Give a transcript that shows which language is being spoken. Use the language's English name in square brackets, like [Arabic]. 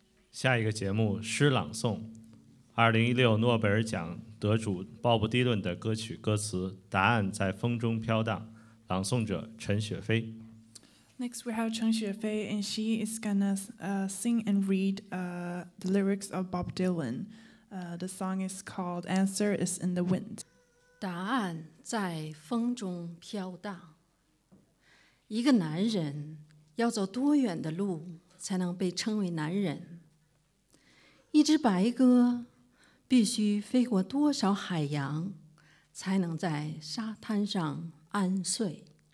[Chinese] 下一个节目《诗朗诵》，2016诺贝尔奖得主鲍勃·迪伦的歌曲歌词《答案在风中飘荡》，朗诵者陈雪飞。 [English] Next, we have 陈雪飞, and she is gonna sing and read the lyrics of Bob Dylan. The song is called "Answer Is in the Wind." [Chinese] 答案在风中飘荡。一个男人要走多远的路才能被称为男人？一只白鸽必须飞过多少海洋，才能在沙滩上安睡？